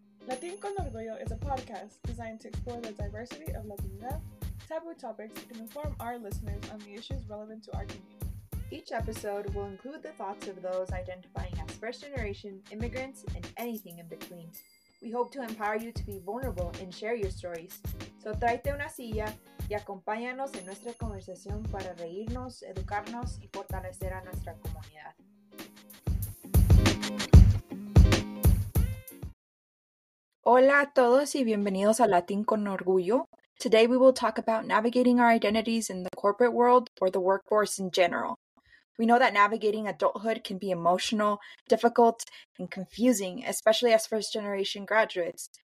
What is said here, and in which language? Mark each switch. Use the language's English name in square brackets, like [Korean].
[English] Latin con Orgullo is a podcast designed to explore the diversity of Latinidad, taboo topics, and inform our listeners on the issues relevant to our community. Each episode will include the thoughts of those identifying as first generation, immigrants, and anything in between. We hope to empower you to be vulnerable and share your stories. [Spanish] So tráete una silla y acompáñanos en nuestra conversación para reírnos, educarnos, y fortalecer a nuestra comunidad. Hola a todos y bienvenidos a Latin con Orgullo. [English] Today we will talk about navigating our identities in the corporate world or the workforce in general. We know that navigating adulthood can be emotional, difficult, and confusing, especially as first-generation graduates.